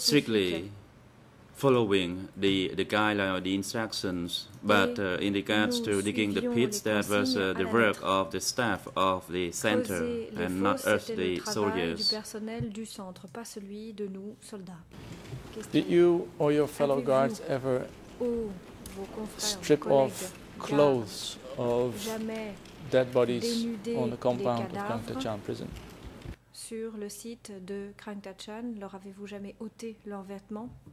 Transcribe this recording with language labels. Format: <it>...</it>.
<en>Strictly following the guideline or the instructions, but in regards to digging the pits, that was the work of the staff of the center and not us, the soldiers.</en> <fr>Du personnel du centre, pas celui de nous, soldats.</fr> <en>Did you or your fellow guards ever strip off clothes of dead bodies on the compound of Krang Tachan prison?</en> <fr>Sur le site de Krang Tachan, leur avez-vous jamais ôté leurs vêtements?</fr>